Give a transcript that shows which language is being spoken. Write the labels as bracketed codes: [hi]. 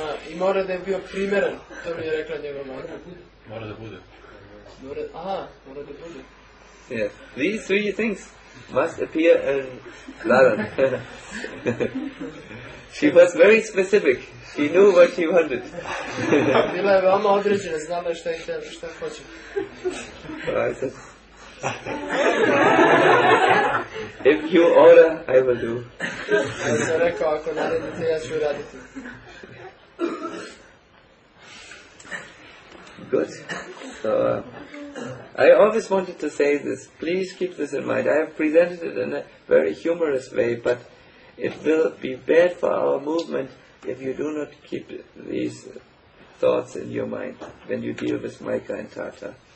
[sr] I mora da je bio primeran. To mi je rekla njegova mora. Mora da bude. Mora da bude. [en] Yeah. These three things must appear in Laran. She was very specific. She knew what she wanted. [sr] Bila je veoma određena, znala šta je šta hoće. [en] If you order, I will do. [sr] Ja sam rekao, ako naredite, ja ću raditi. [en] Good. So, I always wanted to say this. Please keep this in mind. I have presented it in a very humorous way, but it will be bad for our movement if you do not keep these thoughts in your mind when you deal with Maika and Tata.